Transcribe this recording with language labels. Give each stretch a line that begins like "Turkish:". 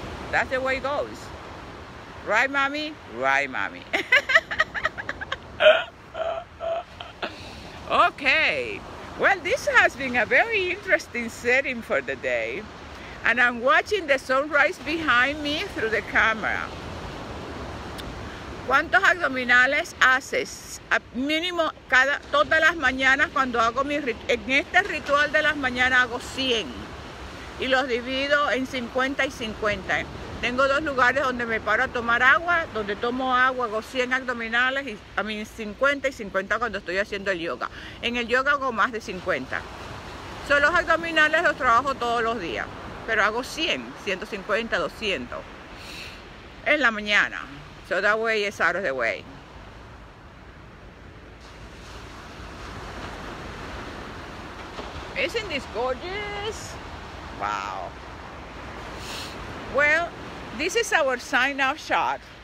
English: That's the way it goes. Right, mommy? Right, mommy. Okay. Well, this has been a very interesting setting for the day, and I'm watching the sunrise behind me through the camera.
Spanish: ¿Cuántos abdominales haces? A mínimo, todas las mañanas cuando hago en este ritual de las mañanas hago 100 y los divido en 50 y 50. Tengo dos lugares donde me paro a tomar agua, donde tomo agua hago 100 abdominales y a mí 50 y 50 cuando estoy haciendo el yoga. En el yoga hago más de 50. Son los abdominales los trabajo todos los días. pero hago 100, 150, 200 en la mañana.
English: So that way is out of the way. Isn't this gorgeous? Wow. Well, this is our sign-off shot.